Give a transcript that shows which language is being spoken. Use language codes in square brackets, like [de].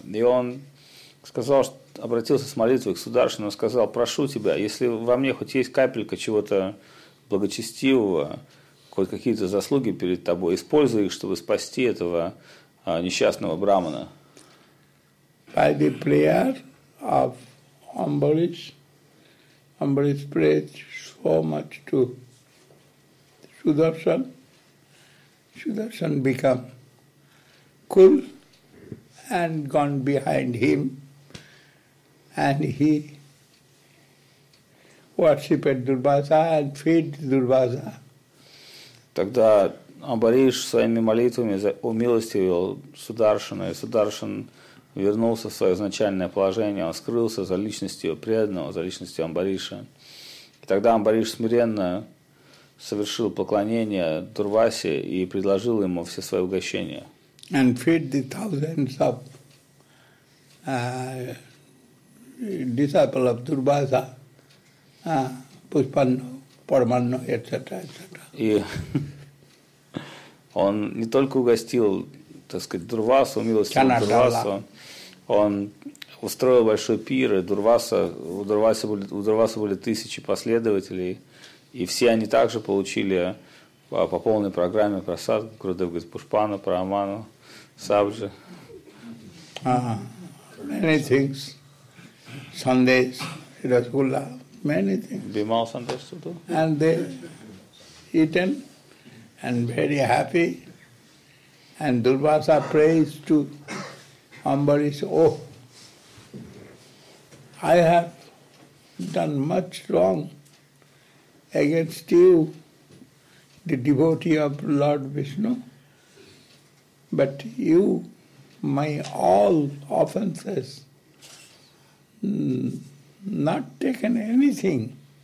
[ru] И он сказал, что обратился с молитвой к Сударшану, сказал, прошу тебя, если во мне хоть есть капелька чего-то благочестивого, хоть какие-то заслуги перед тобой, используй их, чтобы спасти этого несчастного брахмана. [en] By the prayer of Ambarish, Ambarish prayed so much to Sudarshan. Sudarshan became cool and gone behind him, and he worshipped Durvasa and feed Durvasa. [ru] Тогда Амбариш своими молитвами умилостивил Сударшана, и Сударшан вернулся в свое изначальное положение, он скрылся за личностью преданного, за личностью Амбариша. И тогда Амбариш смиренно совершил поклонение Дурвасе и предложил ему все свои угощения. [en] And feed the thousands of disciples of Durvasa, Pushpanna, Paramanna, etc., etc. [ru] И он не только угостил, так сказать, Дурвасу, умилостивил Дурвасу, он устроил большой пир, и у Дурвасы были тысячи последователей, и все они также получили по полной программе просад, Гурудев говорит, Пушпану, Параману, Сабджи. [en] Many things. Сандес, Расгулла, many things. [ru] Бимал Сандес туда. [en] And they eaten and very happy. And Durvasa prays to Ambarish, oh, I have done much wrong against you, the devotee of Lord Vishnu, but you, my all offenses, not taken anything,